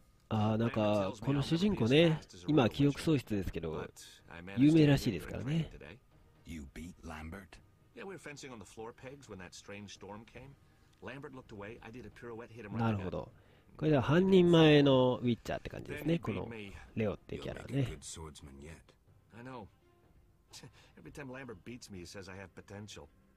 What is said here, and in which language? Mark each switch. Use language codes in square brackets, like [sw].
[ja] あ、なんかこの主人公ね、今記憶喪失ですけど有名らしいですからね。 [en] You beat Lambert? Yeah, we were fencing on the floor pegs when that strange storm came. Lambert looked away. I did a pirouette, hit him right. [ja] なるほど。これは半人前のウィッチャーって感じですね。このレオってキャラね。 [en] I know. Every time Lambert beats me, he says I have potential.